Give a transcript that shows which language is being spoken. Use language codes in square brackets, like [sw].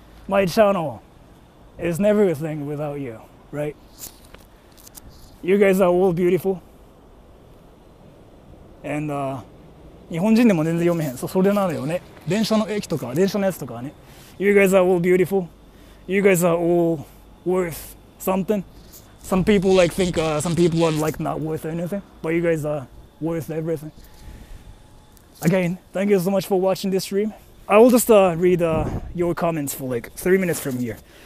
[en] My channel is never a thing without you, right? You guys are all beautiful. [ja] And 日本人でも全然読めへん。そう、それなのよね。電車の駅とか、電車のやつとかね。 [en] You guys are all beautiful. You guys are all worth something. Some people like think, some people are like not worth anything. But you guys are worth everything. Again, thank you so much for watching this stream. I will just read your comments for like 3 minutes from here.